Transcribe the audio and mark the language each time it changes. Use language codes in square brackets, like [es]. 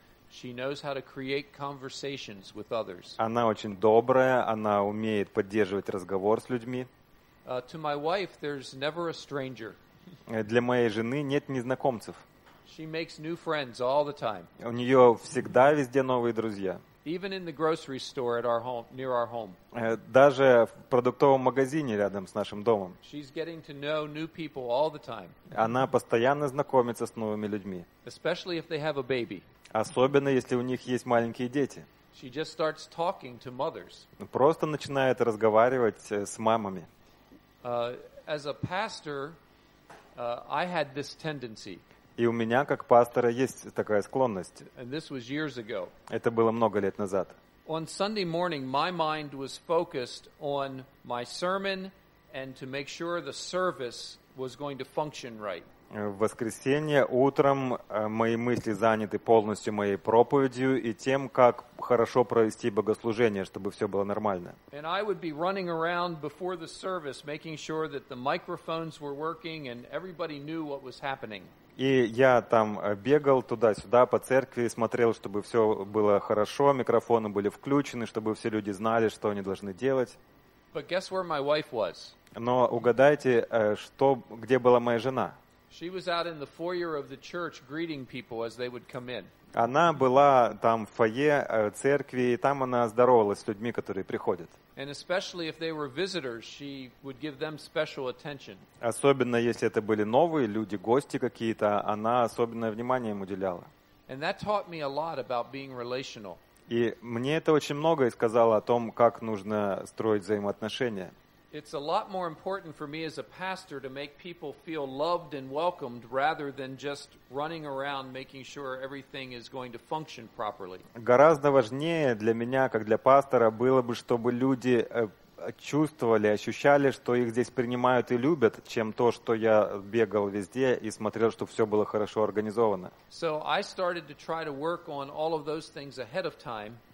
[en] She knows how to create conversations with others. [ru] Она очень добрая, она умеет поддерживать разговор с людьми. [en] To my wife, there's never a stranger. [ru] Для моей жены нет незнакомцев. [en] She makes new friends all the time. [ru] У неё всегда везде новые друзья. [en] Even in the grocery store at our home, near our home. [ru] Даже в продуктовом магазине рядом с нашим домом. [en] She's getting to know new people all the time. [ru] Она постоянно знакомится с новыми людьми. [en] Especially if they have a baby. [ru] Особенно если у них есть маленькие дети. [en] She just starts talking to mothers. [ru] Просто начинает разговаривать с мамами. [en] As a pastor, I had this tendency. [ru] И у меня, как пастора, есть такая склонность. Это было много лет назад. [en] On Sunday morning, my mind was focused on my sermon and to make sure the service was going to function right. [ru] В воскресенье утром мои мысли заняты полностью моей проповедью и тем, как хорошо провести богослужение, чтобы все было нормально. [en] And I would be running around before the service, making sure that the microphones were working and everybody knew what was happening. [ru] И я там бегал туда-сюда по церкви, смотрел, чтобы все было хорошо, микрофоны были включены, чтобы все люди знали, что они должны делать. [en] But guess where my wife was? [ru] Но угадайте, что, где была моя жена? [en] She was out in the foyer of the church greeting people as they would come in. [ru] Она была там в фойе церкви, и там она здоровалась с людьми, которые приходят. [en] And especially if they were visitors, she would give them special attention. [ru] Особенно если это были новые люди, гости какие-то, она особенное внимание им уделяла. [en] And that taught me a lot about being relational. [ru] И мне это очень многое сказало о том, как нужно строить взаимоотношения. [en] It's a lot more important for me as a pastor to make people feel loved and welcomed rather than just running around making sure everything is going to function properly. [ru] Гораздо важнее для меня, как для пастора, было бы, чтобы люди чувствовали, ощущали, что их здесь принимают и любят, чем то, что я бегал везде и смотрел, чтобы все было хорошо организовано. [en] So I started to try to work on all of those things ahead of time.